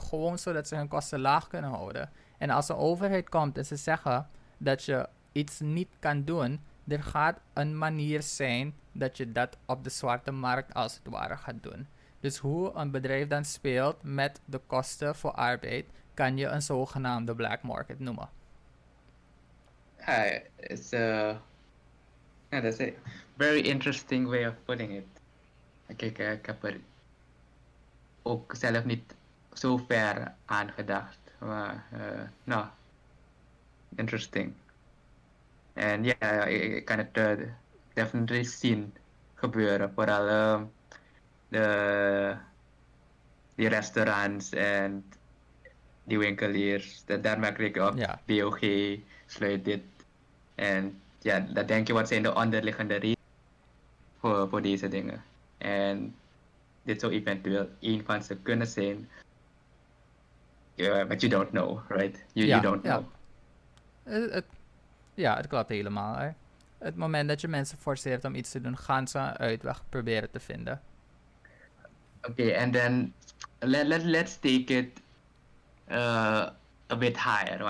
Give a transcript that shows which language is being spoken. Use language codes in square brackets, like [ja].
[nl] Gewoon zodat ze hun kosten laag kunnen houden. En als de overheid komt en ze zeggen dat je iets niet kan doen, er gaat een manier zijn dat je dat op de zwarte markt als het ware gaat doen. Dus hoe een bedrijf dan speelt met de kosten voor arbeid, kan je een zogenaamde black market noemen. [en] It's a, yeah, that's a very interesting way of putting it. [nl] Ik heb er ook zelf niet zo ver aan gedacht, maar interesting. En ja, ik kan het definitely zien gebeuren, vooral de restaurants en die winkeliers, daar merk ik op, BOG sluit dit. En ja, dat denk je, wat zijn de onderliggende redenen voor deze dingen. En dit zou eventueel een van ze kunnen zijn. [en] But you don't know, right? You don't know. [nl] Het klopt helemaal. Hè? Het moment dat je mensen forceert om iets te doen, gaan ze een uitweg proberen te vinden. [en] Okay, and then let's take it a bit higher.